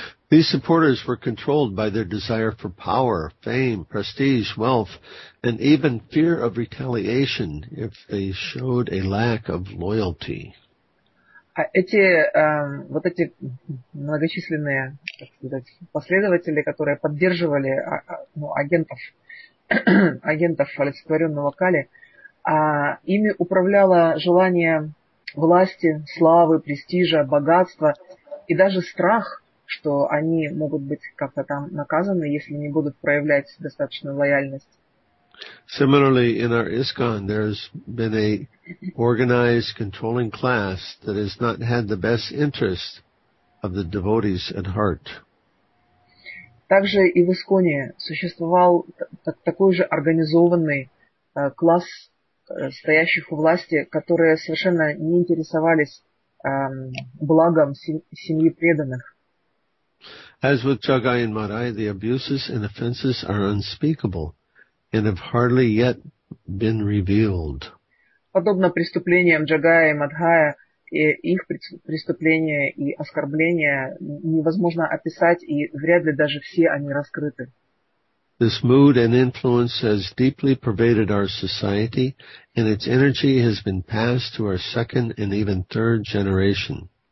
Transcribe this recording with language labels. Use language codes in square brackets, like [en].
[en] These supporters were controlled by their desire for power, fame, prestige, wealth, and even fear of retaliation if they showed a lack of loyalty. [ru] Эти многочисленные, так сказать, последователи, которые поддерживали агентов олицетворенного Кали, ими управляло желание власти, славы, престижа, богатства и даже страх, что они могут быть как-то там наказаны, если не будут проявлять достаточную лояльность. [en] Similarly, in our ISKCON, there's been a organized controlling class that has not had the best interest of the devotees at heart. [ru] Также и в ИСККОНе существовал такой же организованный класс стоящих у власти, которые совершенно не интересовались благом семьи преданных. [en] As with Jagai and Madai, the abuses and offenses are unspeakable and have hardly yet been revealed. [ru] Подобно преступлениям Джагая и Мадхая, их преступления и оскорбления невозможно описать, и вряд ли даже все они раскрыты. [en] This mood and influence has deeply pervaded our society, and its energy has been passed to our second and even third generation.